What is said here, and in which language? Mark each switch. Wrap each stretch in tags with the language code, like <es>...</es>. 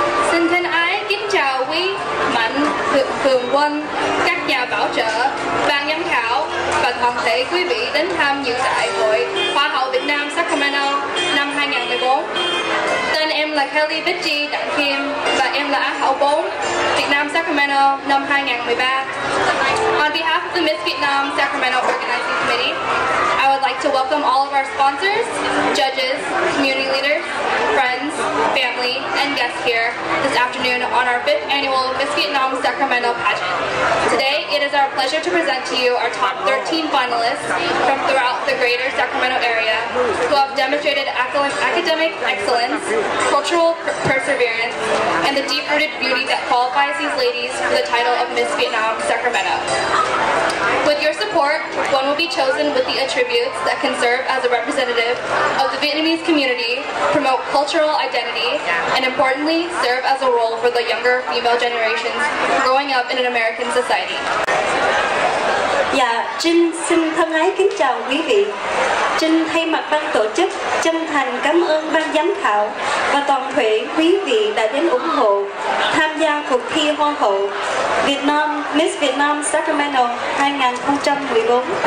<vi>Xin thân ái kính chào quý Mạnh Thường Quân, các nhà bảo trợ, ban giám khảo và toàn thể quý vị đến tham dự đại hội Hoa hậu Việt Nam Sacramento năm 2014. Tên em là Kelly Vichy Đặng Kim và em là Á hậu 4 Việt Nam Sacramento năm 2013.</vi> <en>On behalf of the Miss Vietnam Sacramento Organizing Committee, I would like to welcome all of our sponsors, judges, community leaders, friends, family, and guests here this afternoon on our 5th annual Miss Vietnam Sacramento pageant. Today, it is our pleasure to present to you our top 13 finalists from throughout the greater Sacramento area who have demonstrated academic excellence, cultural perseverance, and the deep-rooted beauty that qualifies these ladies for the title of Miss Vietnam Sacramento. With your support, one will be chosen with the attributes that can serve as a representative of the Vietnamese community, promote cultural identity, and importantly, serve as a role for the younger female generations growing up in an American society.</en> <vi>Dạ, Trinh xin thân ái kính chào quý vị. Trinh thay mặt ban tổ chức chân thành cảm ơn ban giám khảo và toàn thể quý vị đã đến ủng hộ tham gia cuộc thi Hoa hậu Việt Nam Miss Vietnam Sacramento 2014.</vi>